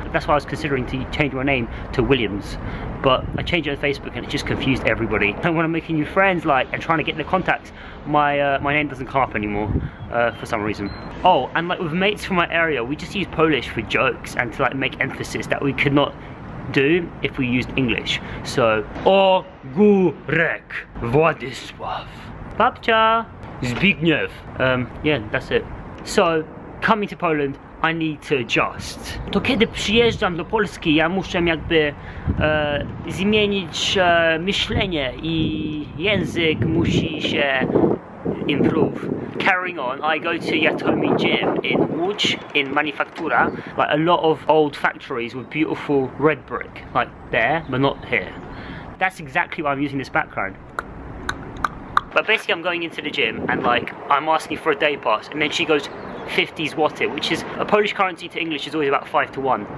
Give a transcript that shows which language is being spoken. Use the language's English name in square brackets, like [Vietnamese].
[English] That's why I was considering to change my name to Williams, but I changed it on Facebook and it just confused everybody. And when I'm making new friends like and trying to get the contacts, my name doesn't come up anymore for some reason. Oh, and like with mates from my area, we just use Polish for jokes and to like make emphasis that we could not do if we used English. [Polish] So Ogórek Władysław Babcia Zbigniew. [English] Yeah, that's it. So, coming to Poland, I need to adjust. [Polish] To kiedy przyjeżdżam do Polski, ja muszę jakby zmienić myślenie I język musi się [English] improve. Carrying on, I go to Yatomi Gym in Łódź, in Manufaktura. Like a lot of old factories with beautiful red brick. Like there, but not here. That's exactly why I'm using this background. But basically I'm going into the gym and like I'm asking for a day pass and then she goes 50 zloty, which is a Polish currency to English is always about 5 to 1.